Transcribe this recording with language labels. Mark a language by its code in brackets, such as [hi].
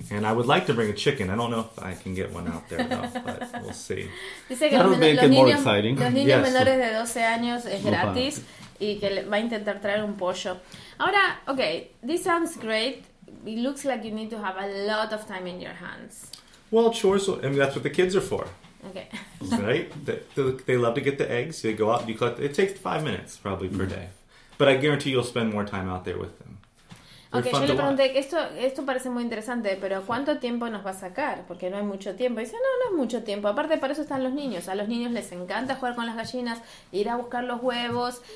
[en] And I would like to bring a chicken. I don't know if I can get one out there enough, but we'll see. That'll make it more exciting. [es] Los niños menores de 12 años es gratis y que va a intentar traer un pollo. [en] Ahora, okay, this sounds great. It looks like you need to have a lot of time in your hands. Well, chores, I mean, that's what the kids are for. Okay. Right? They love to get the eggs. They go out and you collect. It takes 5 minutes probably per day. But I guarantee you'll spend more time out there with them. They're okay, [es] yo le pregunté, esto parece muy interesante, pero ¿cuánto tiempo nos va a sacar? Porque no hay mucho tiempo. Y dice, no es mucho tiempo. Aparte, para eso están los niños. A los niños les encanta jugar con las gallinas, ir a buscar los huevos.